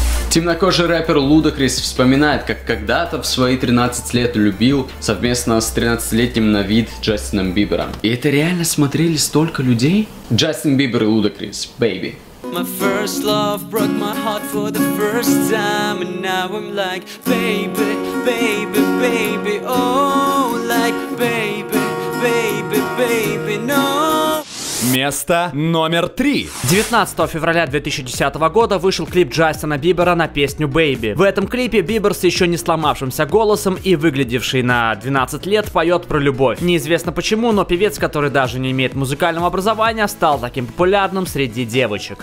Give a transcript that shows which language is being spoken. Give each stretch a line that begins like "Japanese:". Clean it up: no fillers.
Russian: Темнокожий рэпер Ludacris вспоминает, как когда-то в свои 13 лет любил совместно с 13-летним на вид Джастином Бибером. И это реально смотрели столько людей? Джастин Бибер и Ludacris, baby.
English: My first love broke my heart for the first time. And now I'm like, baby, baby, baby, oh, like, baby, baby, baby, no.
Russian: Место номер 3. 19 февраля 2010 года вышел клип Джастина Бибера на песню «Baby». В этом клипе Бибер с еще не сломавшимся голосом и выглядевший на 12 лет поет про любовь. Неизвестно почему, но певец, который даже не имеет музыкального образования, стал таким популярным среди девочек.